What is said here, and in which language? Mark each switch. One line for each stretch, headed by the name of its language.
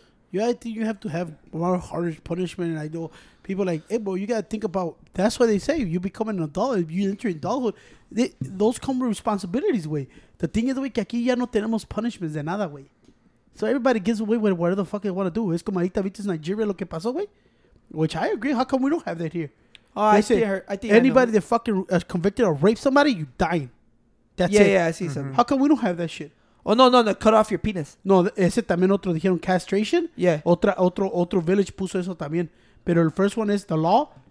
English: Yeah, I think you have to have more harsh punishment. And I know people like, hey, bro, you got to think about, that's what they say. You become an adult, you enter adulthood. Those come with responsibilities, way. The thing is, way,
Spanish: que aquí ya no tenemos punishments de nada,
English: way. So everybody gets away with whatever the fuck they want to do.
Spanish: Es como ahorita viste en Nigeria lo que pasó, way.
English: Which I agree. How come we don't have that here? Oh, they I think anybody that fucking convicted or raped somebody, you dying. That's yeah, it. Yeah, yeah, I see mm-hmm. something. How come we don't have that shit? Oh, no, cut off your penis.
Spanish: No, ese también otro dijeron castration.
English: Yeah.
Spanish: Otro
English: village
Spanish: puso eso también. Pero
English: the first one is the law.